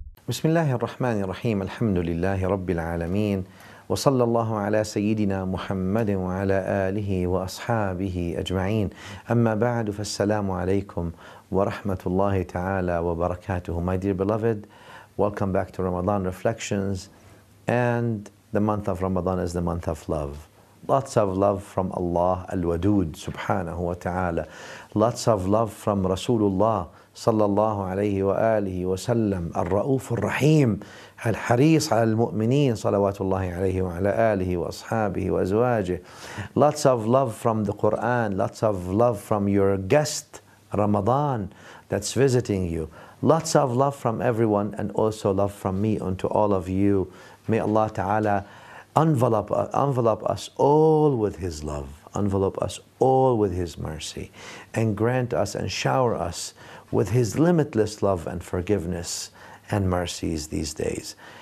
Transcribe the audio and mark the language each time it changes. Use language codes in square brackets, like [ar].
[ar] بسم الله الرحمن الرحيم، الحمد لله رب العالمين، وصلى الله على سيدنا محمد وعلى آله وأصحابه أجمعين. أما بعد، فالسلام عليكم ورحمة الله تعالى وبركاته. [en] My dear beloved, welcome back to Ramadan Reflections. And the month of Ramadan is the month of love. Lots of love from Allah al-Wadud subhanahu wa ta'ala. Lots of love from Rasulullah [ar] صلى الله عليه وآله وسلم الرؤوف الرحيم الحريص على المؤمنين صلوات الله عليه وعلى آله وأصحابه وأزواجه. [en] Lots of love from the Quran, lots of love from your guest Ramadan that's visiting you. Lots of love from everyone, and also love from me unto all of you. May Allah Ta'ala envelop us all with His love, envelop us all with His mercy, and grant us and shower us with His limitless love and forgiveness and mercies these days.